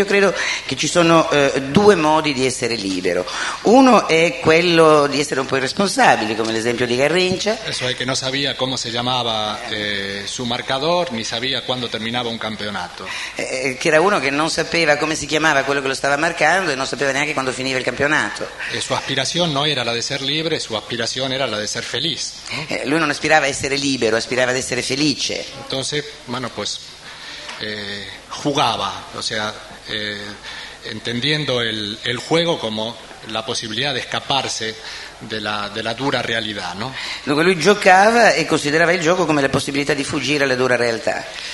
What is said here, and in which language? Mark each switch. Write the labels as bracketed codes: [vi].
[it] Io credo che ci sono due modi di essere libero. Uno è quello di essere un po' irresponsabili, come l'esempio di Garrincha. [es] Eso es que no sabía cómo se llamaba su marcador ni sabía cuándo terminaba un campeonato. [it] Che era uno che non sapeva come si chiamava quello che lo stava marcando e non sapeva neanche quando finiva il campionato. E sua aspirazione non era la di essere libero, sua aspirazione era la di essere felice. Lui non aspirava a essere libero, aspirava ad essere felice. [es] Entonces, bueno, pues jugaba, o sea, entendiendo el juego como la posibilidad de escaparse [it] della dura realtà, [es] no? [it] Dunque lui giocava e considerava il gioco come la possibilità di fuggire alla dura realtà.